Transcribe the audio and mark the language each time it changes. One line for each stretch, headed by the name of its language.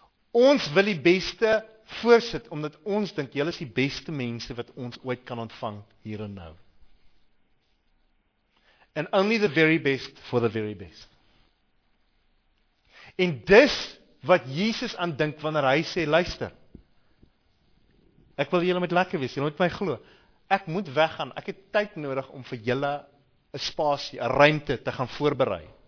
Afrikaans: Ons wil die beste voorsit, omdat ons dink, jy is die beste mense, wat ons ooit kan ontvang, hier en nou.
English: And only the very best, for the very best.
Afrikaans: En dis, wat Jesus aan dink, wanneer hy sê, luister, ek wil julle met lekker wees, julle moet my glo, ek moet weggaan, ek het tyd nodig om vir julle een spasie, een ruimte te gaan voorberei.